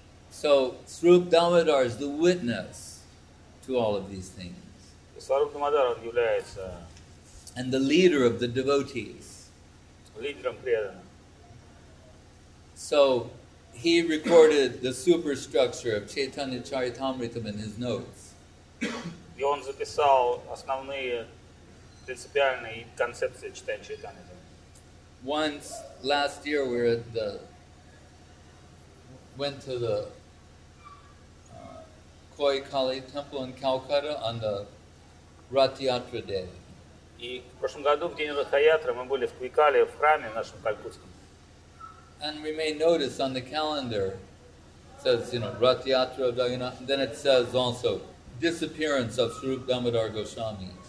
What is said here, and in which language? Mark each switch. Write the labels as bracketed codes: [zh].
[en] So, Swarup Damodar is the witness to all of these things. [ru] Сварупа Дамодара является... [en] And the leader of the devotees. [ru] Лидером преданных. [en] So, he recorded the superstructure of Chaitanya Charitamritam in his notes. [ru] И он записал основные принципиальные концепции Чайтанья Чаритамриты. [en] Once last year we went to the Koi Kali temple in Calcutta on the Ratiyatra day. [ru] И в прошлом году в день Ратхаятры мы были в Koi Kali в храме нашем калькутском. [en] And we may notice on the calendar, it says, you know, Ratiyatra of Jagannath, and then it says also, disappearance of Swarup Damodar Goswami.